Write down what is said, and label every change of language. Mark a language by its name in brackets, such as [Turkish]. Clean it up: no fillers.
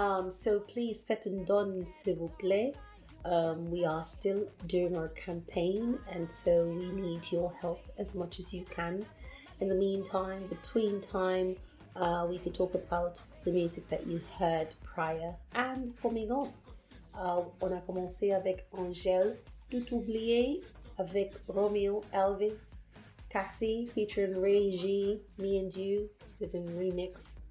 [English] So please, [French] faites un don, s'il vous plaît. [English] We are still doing our campaign, and so we need your help as much as you can. In the meantime, between time, we could talk about the music that you heard prior and coming on. [French] On a commencé avec Angèle, Tout oublié, avec Romeo Elvis. [English] Cassie featuring Ray G, Me and You, did a remix.